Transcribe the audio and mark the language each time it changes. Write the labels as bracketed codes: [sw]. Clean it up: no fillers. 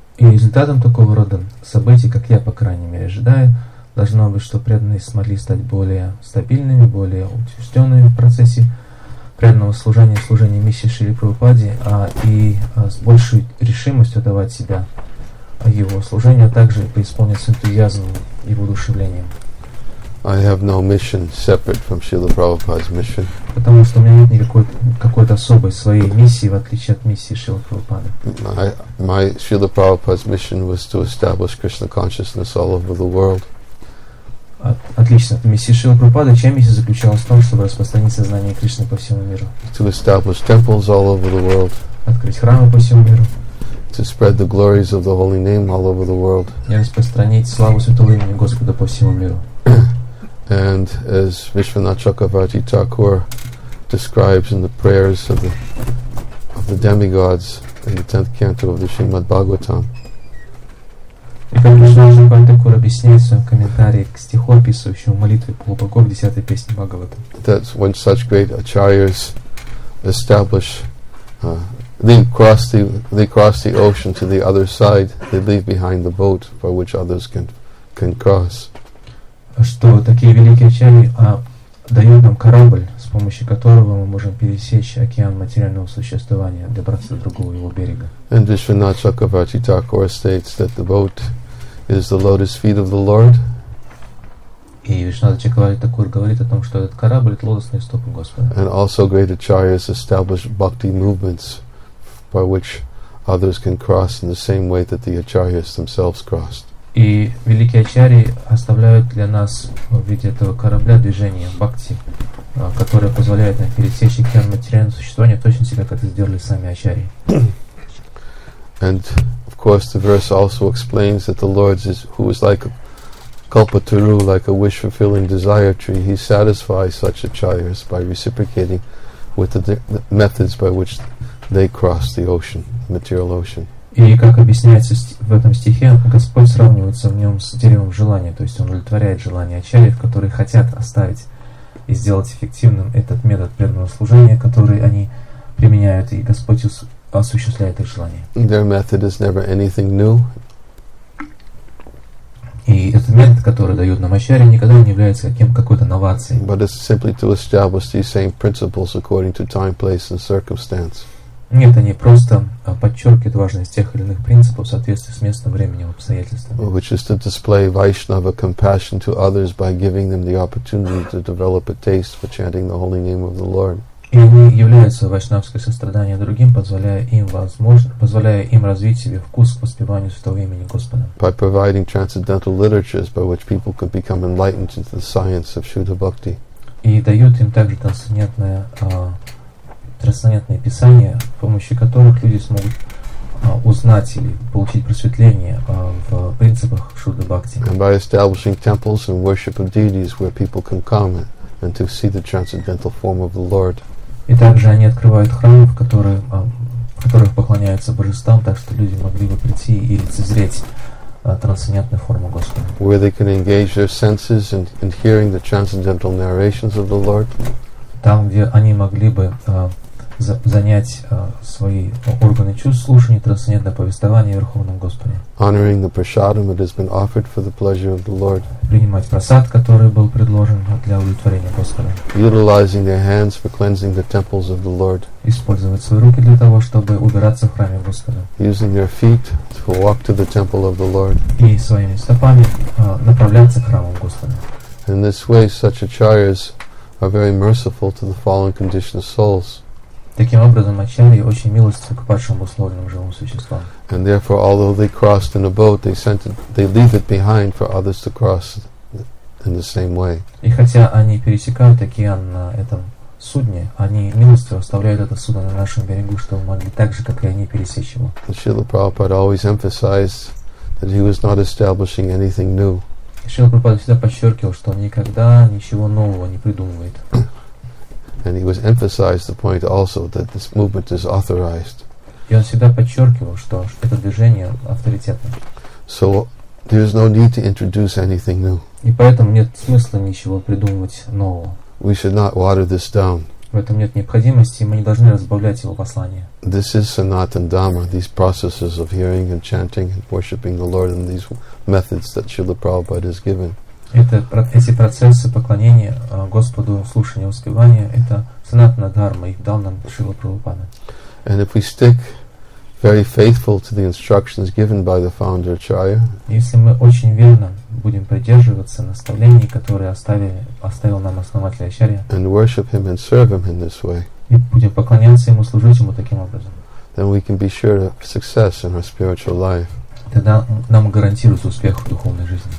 [ru] И результатом такого рода событий, как я, по крайней мере, ожидаю, должно быть, что преданные смогли стать более стабильными, более утвержденными в процессе преданного служения, служения миссии Шрилы Прабхупады, с большей решимостью отдавать себя его служению, а также преисполниться энтузиазмом и воодушевлением. [en] I have no mission separate from Srila Prabhupada's mission. [ru] Потому что у меня нет никакой какой-то особой своей миссии в отличие от миссии Шрилы Прабхупады. [en] My Srila Prabhupada's mission was to establish Krishna consciousness all over the world. [ru] Отлично. Миссия Шрилы Прабхупады, чья миссия заключалась в том, чтобы распространить сознание Кришны по всему миру. [en] To establish temples all over the world. [ru] Открыть храмы по всему миру. [en] To spread the glories of the holy name all over the world. [ru] И распространить славу святого имени Господа по всему миру. [en] And as Vishwanath Chakravarti Thakur describes in the prayers of the demigods in the 10th canto of the Srimad Bhagavatam. [ru] И как Vishwanath Chakravarti Thakur объясняет в своем комментарии к стиху, описывающему молитвы полубогов 10-й песни Бхагавата. [en] That when such great acharyas establish, they cross the ocean to the other side, they leave behind the boat for which others can cross. [ru] Что такие великие чари дают нам корабль, с помощью которого мы можем пересечь океан материального существования, добраться до другого его берега. [en] And Vishwanath Chakravarti Thakur states that the boat is the lotus feet of the Lord. [ru] И Вишванатха Чакраварти Такур говорит о том, что этот корабль — это лотосные стопы Господа. [en] And also great acharyas establish bhakti movements by which others can cross in the same way that the acharyas themselves crossed. [ru] И великие ачарьи оставляют для нас в виде этого корабля движение бхакти, которое позволяет нам пересечь океан материального существования, точно так, как это сделали сами ачарьи. [en] And of course the verse also explains that the Lord is who is like a kalpataru, like a wish fulfilling desire tree. He satisfies such acharyas by reciprocating with the methods by which they cross the ocean, the material ocean. [ru] И как объясняется в этом стихе, Господь сравнивается в нем с деревом желания, то есть он удовлетворяет желания ачарьев, которые хотят оставить и сделать эффективным этот метод преданного служения, который они применяют, и Господь осуществляет их желание. [en] Their method is never anything new. [ru] И этот метод, который дают нам ачарьи, никогда не является какой-то новацией. [en] But it's simply to establish these same principles according to time, place and circumstance. [ru] Нет, они просто подчеркивают важность тех или иных принципов в соответствии с местным временем, обстоятельствами. [en] Which is to display Vaishnava compassion to others by giving them the opportunity to develop a taste for chanting the holy name of the Lord. [ru] И они являются вайшнавское сострадание другим, позволяя им развить себе вкус к воспеванию святого имени Господа. [en] By providing transcendental literatures by which people could become enlightened into the science of Shuddha Bhakti. [ru] И дают им также трансцендентное трансцендентные писания, с помощью которых люди смогут узнать или получить просветление в принципах Шуддха Бхакти. [en] And by establishing temples and worship of deities where people can come and to see the transcendental form of the Lord. [ru] И также они открывают храмы, в которых поклоняются божествам, так что люди могли бы прийти и лицезреть трансцендентную форму Господа. [en] Where they can engage their senses in hearing the transcendental narrations of the Lord. [ru] Там, где они могли бы занять свои органы чувств, слушание трансцендентного повествования о Верховном Господе. [en] Honoring the prasadam that has been offered for the pleasure of the Lord. [ru] Принимать прасад, который был предложен для удовлетворения Господа. [en] Utilizing their hands for cleansing the temples of the Lord. [ru] Использовать свои руки для того, чтобы убираться в храме Господа. [en] Using their feet to walk to the temple of the Lord. [ru] И своими стопами направляться к храму Господа. [en] In this way, such acharyas are very merciful to the fallen conditioned souls. [ru] Таким образом, ачарьи очень милостивы к падшим условным живым существам. [en] And therefore, although they crossed in a boat, they leave it behind for others to cross in the same way. [ru] И хотя они пересекают океан на этом судне, они милостиво оставляют это судно на нашем берегу, чтобы могли так же, как и они, пересечь его. [en] Шрила Прабхупада always emphasized that he was not establishing anything new. [ru] Шрила Прабхупада всегда подчеркивал, что он никогда ничего нового не придумывает. [en] And he was emphasized the point also that this movement is authorized. [ru] И он всегда подчеркивал, что это движение авторитетно. [en] So there is no need to introduce anything new. [ru] И поэтому нет смысла ничего придумывать нового. [en] We should not water this down. [ru] В этом нет необходимости, и мы не должны разбавлять его послание. [en] This is Sanatana Dhamma, these processes of hearing and chanting and worshipping the Lord and these methods that Srila Prabhupada has given. [ru] Эти процессы поклонения Господу, слушания, воспевания — это санатана дхарма, их дал нам Шрила Прабхупада. [en] And if we stick very faithful to the instructions given by the founder Acharya, [ru] если мы очень верно будем придерживаться наставлений, которые оставил нам основатель Ачарья, [en] and worship him and serve him in this way, [ru] и будем поклоняться ему, служить ему таким образом, [en] then we can be sure of success in our spiritual life. [ru] Тогда нам гарантируется успех в духовной жизни.